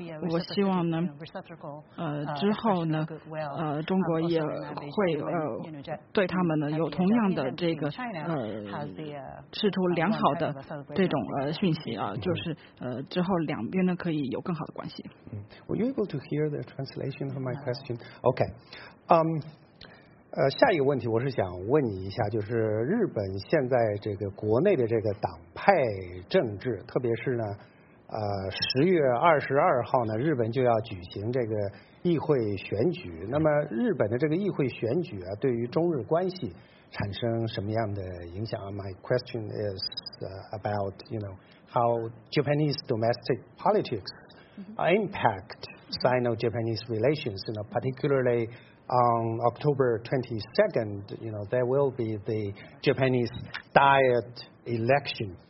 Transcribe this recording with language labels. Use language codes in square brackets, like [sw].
[zh] 我希望呢之后呢中国也会对他们呢有同样的这个释出良好的这种讯息啊，就是之后两边呢可以有更好的关系。 [en] Were you able to hear the translation of my question? Okay. [zh] 下一个问题我是想问你一下，就是日本现在这个国内的这个党派政治，特别是呢10月22号呢日本就要举行这个议会选举，那么日本的这个议会选举啊对于中日关系产生什么样的影响？ [en] My question is about, you know, how Japanese domestic politics impact Sino-Japanese relations, you know, particularlyOn October 22nd, you know, there will be the Japanese Diet election.